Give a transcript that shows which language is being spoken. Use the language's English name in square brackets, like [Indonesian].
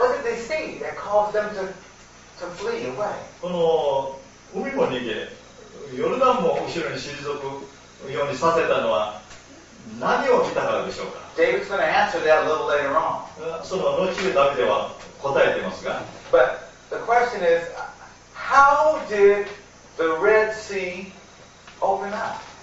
[English] What did they see that caused them to flee away? [Japanese] この海も逃げ、ヨルダンも後ろに退くようにさせたのは何を見たからでしょうか。 [English] David's going to answer that a little later on. [Japanese] その後ダビデは答えていますが。 [English] But the question is, how did the Red Sea open up?